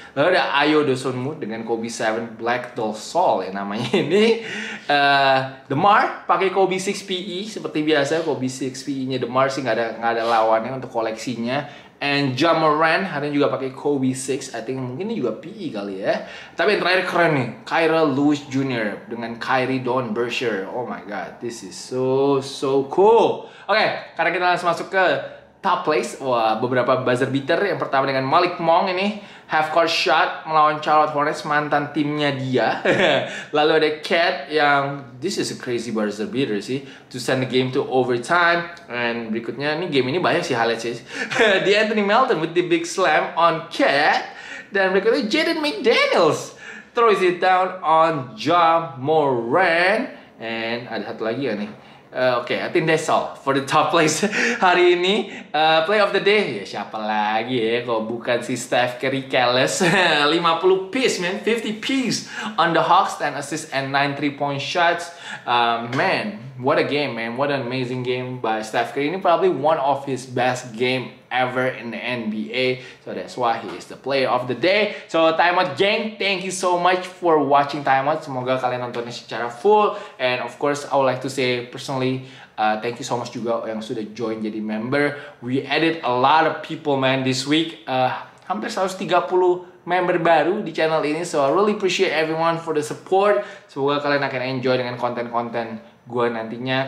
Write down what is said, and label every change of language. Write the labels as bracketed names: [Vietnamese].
[Indonesian] Lalu ada Ayo Dosonmu dengan Kobe 7 Black Doll Soul ya namanya ini. The Mar pakai Kobe 6 PE seperti biasa. Kobe 6 PE-nya The Mar sih nggak ada lawannya untuk koleksinya. And Ja Morant hari ini juga pakai Kobe 6. [English] I think [Indonesian] mungkin ini juga PE kali ya. Tapi yang terakhir keren nih, Kyra Lewis Jr. dengan Kyrie Don Bersher. [English] Oh my god, this is so so cool. [Indonesian] Oke, karena kita langsung masuk ke top place. Wah, beberapa buzzer beater. Yang pertama dengan Malik Monk ini half court shot melawan Charlotte Hornets, mantan timnya dia. Lalu ada Cat yang [English] this is a crazy buzzer beater [Indonesian] sih, [English] to send the game to overtime. And [Indonesian] berikutnya ini game ini banyak sih highlight sih. [English] The Anthony Melton with the big slam on Cat. [Indonesian] Dan berikutnya [English] Jaden McDaniels throws it down on Ja Morant. And [Indonesian] ada satu lagi ya nih. [English] Okay, I think that's all for the top place [Indonesian] hari ini. Play of the day, ya siapa lagi ya kalau bukan si Steph Curry Kelles. [English] 50 piece man, 50 piece on the Hawks, 10 assists and 9 3-point shots. Man, what a game man, what an amazing game by Steph Curry. [Indonesian] Ini [English] probably one of his best game ever in the NBA. So that's why he is the player of the day. So timeout gang, thank you so much for watching timeout. [Indonesian] Semoga kalian nontonnya secara full. [English] And of course I would like to say personally, thank you so much [Indonesian] juga yang sudah join jadi member. [English] We added a lot of people man this week. [Indonesian] Hampir 130 member baru di channel ini. [English] So I really appreciate everyone for the support. [Indonesian] Semoga kalian akan enjoy dengan konten-konten gue nantinya.